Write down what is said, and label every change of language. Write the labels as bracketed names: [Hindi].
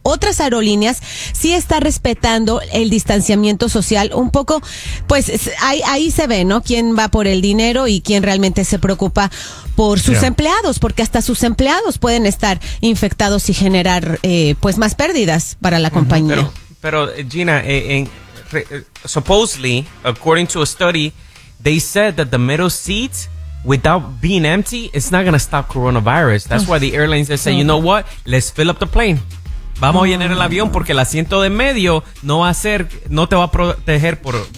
[Spanish] Otras aerolíneas sí está respetando el distanciamiento social un poco, pues ahí se ve, ¿no? Quién va por el dinero y quién realmente se preocupa por sus empleados, porque hasta sus empleados pueden estar infectados y generar pues más pérdidas para la compañía. Pero [English] Gina, supposedly, according to a study, they said that the middle seats, without being empty, it's not going to stop coronavirus. That's why the airlines, they say, you know what? Let's fill up the plane. [Spanish] Vamos a llenar el avión porque el asiento de medio no va a ser, no te va a proteger por...